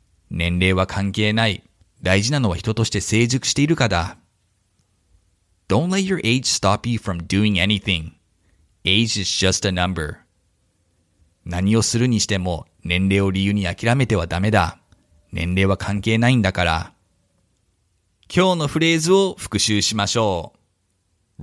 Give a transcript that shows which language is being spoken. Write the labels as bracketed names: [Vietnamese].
[Japanese] 年齢は関係ない。大事なのは人として成熟しているかだ。 [English] Don't let your age stop you from doing anything. Age is just a number. [Japanese] 何をするにしても年齢を理由に諦めてはダメだ。年齢は関係ないんだから。今日のフレーズを復習しましょう。